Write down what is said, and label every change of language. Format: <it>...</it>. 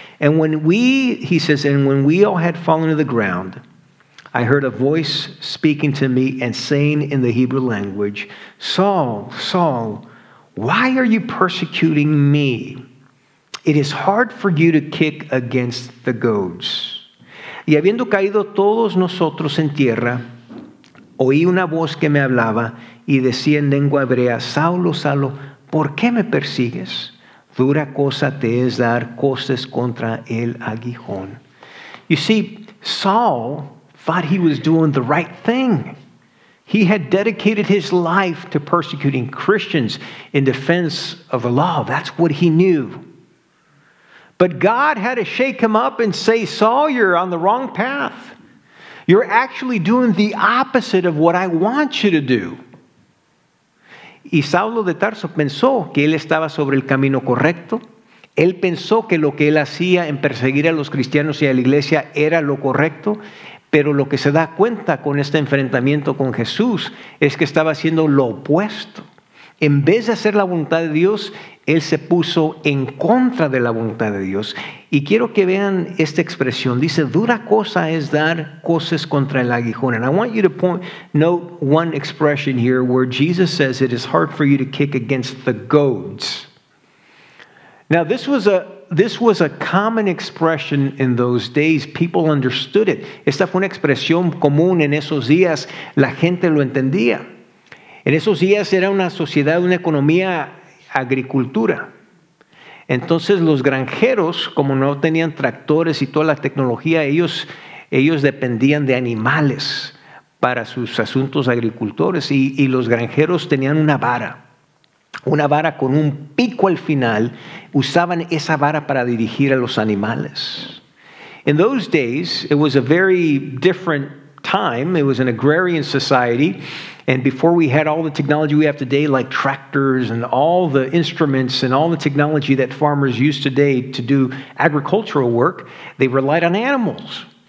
<en>And when we, he says, and when we all had fallen to the ground, I heard a voice speaking to me and saying in the Hebrew language, Saul, Saul, why are you persecuting me? It is hard for you to kick against the goads.</en> <es>Y habiendo caído todos nosotros en tierra, oí una voz que me hablaba y decía en lengua hebrea, Saulo, Saulo, ¿por qué me persigues? Dura cosa te es dar cosas contra el aguijón.</es> <en>You see, Saul thought he was doing the right thing. He had dedicated his life to persecuting Christians in defense of the law. That's what he knew. But God had to shake him up and say, Saul, you're on the wrong path. You're actually doing the opposite of what I want you to do.</en> <es>Y Saulo de Tarso pensó que él estaba sobre el camino correcto. Él pensó que lo que él hacía en perseguir a los cristianos y a la iglesia era lo correcto. Pero lo que se da cuenta con este enfrentamiento con Jesús es que estaba haciendo lo opuesto. En vez de hacer la voluntad de Dios, él se puso en contra de la voluntad de Dios. Y quiero que vean esta expresión. Dice, dura cosa es dar cosas contra el aguijón.</es> <en>And I want you to note one expression here where Jesus says, it is hard for you to kick against the goads. Now, this was a common expression in those days. People understood it.</en> <es>Esta fue una expresión común en esos días. La gente lo entendía. En esos días era una sociedad, una economía agricultura. Entonces los granjeros, como no tenían tractores y toda la tecnología, ellos dependían de animales para sus asuntos agricultores. Y los granjeros tenían una vara con un pico al final. Usaban esa vara para dirigir a los animales.</es> <en>In those days, it was a very different time. It was an agrarian society. And before we had all the technology we have today, like tractors and all the instruments and all the technology that farmers use today to do agricultural work, they relied on animals.</en>